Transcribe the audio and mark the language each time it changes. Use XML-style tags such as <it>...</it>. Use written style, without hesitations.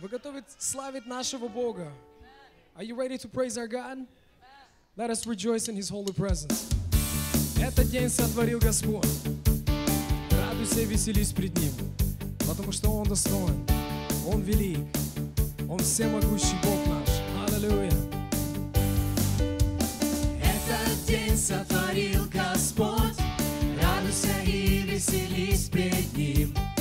<ru>Вы готовы славить нашего Бога?</ru> <en>Are you ready to praise our God? Let us rejoice in His holy presence.</en> <ru>Этот день сотворил Господь. Радуйся и веселись пред Ним, потому что Он достоин, Он велик, Он всемогущий Бог наш. Аллилуйя. Этот день сотворил Господь. Радуйся и веселись пред Ним.</ru>